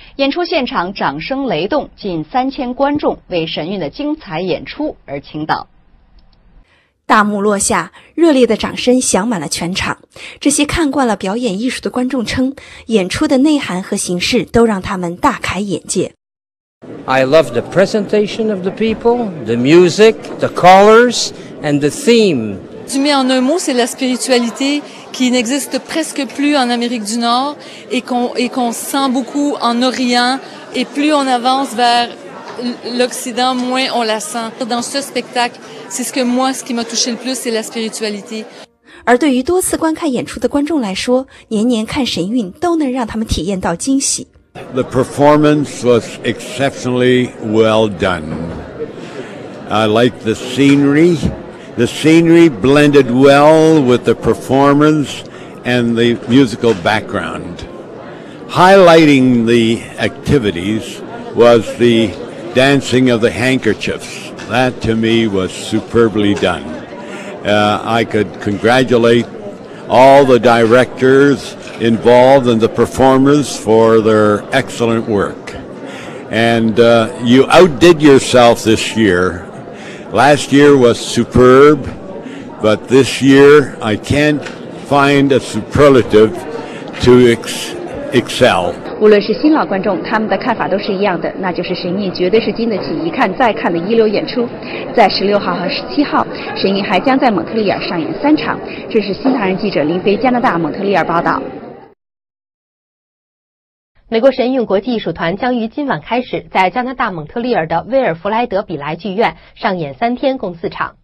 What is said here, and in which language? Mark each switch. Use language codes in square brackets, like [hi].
[zh] 演出现场掌声雷动，近3000观众为神韵的精彩演出而倾倒。大幕落下，热烈的掌声响满了全场。这些看惯了表演艺术的观众称，演出的内涵和形式都让他们大开眼界。 [en] I love the presentation of the people, the music, the colors, and the theme. [fr] Tu mets en un mot, c'est la spiritualité qui n'existe presque plus en Amérique du Nord et qu'on sent beaucoup en Orient. Et plus on avance vers l'Occident, moins on la sent. Dans ce spectacle, c'est ce que moi, ce qui m'a touché le plus, c'est la spiritualité. [zh] 而对于多次观看演出的观众来说，年年看神韵都能让他们体验到惊喜。 [en] The performance was exceptionally well done. I liked the scenery. The scenery blended well with the performance and the musical background. Highlighting the activities was the dancing of the handkerchiefs. That to me was superbly done. I could congratulate all the directors. involved in the performers for their excellent work. And you outdid yourself this year. Last year was superb, but this year I can't find a superlative to excel. [zh] 无论是新老观众，他们的看法都是一样的，那就是神韵绝对是经得起一看再看的一流演出。在16号和17号，神韵还将在蒙特利尔上演3场。这是新唐人记者林飞，加拿大蒙特利尔报道。美国神韵国际艺术团将于今晚开始在加拿大蒙特利尔的威尔弗莱德比莱剧院上演3天，共4场。